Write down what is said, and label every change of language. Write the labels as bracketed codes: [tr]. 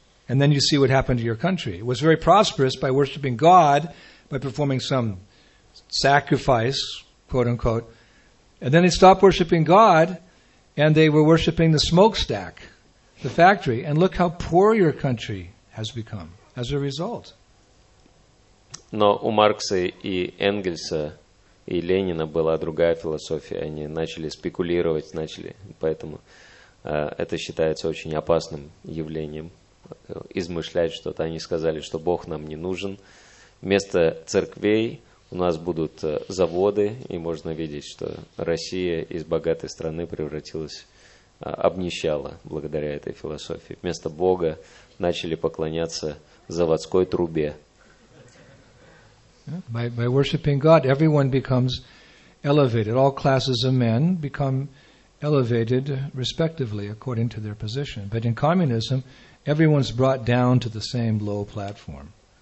[en] And then you see what happened to your country. It was very prosperous by worshiping God, by performing some sacrifice, quote unquote, and then they stopped worshiping God, and they were worshiping the smokestack, the factory. And look how poor your country has become as a result. [ru] Но у Маркса и Энгельса и Ленина была другая философия. Они начали спекулировать, начали, поэтому это считается очень опасным явлением измышлять что-то. Они сказали, что Бог нам не нужен. Вместо церквей у нас будут заводы, и можно видеть, что Россия из богатой страны превратилась, обнищала благодаря этой философии. Вместо Бога начали поклоняться заводской трубе. [en] By worshiping God, everyone becomes elevated. All classes of men become elevated respectively according to their position. But in communism, everyone's brought down to the same low platform.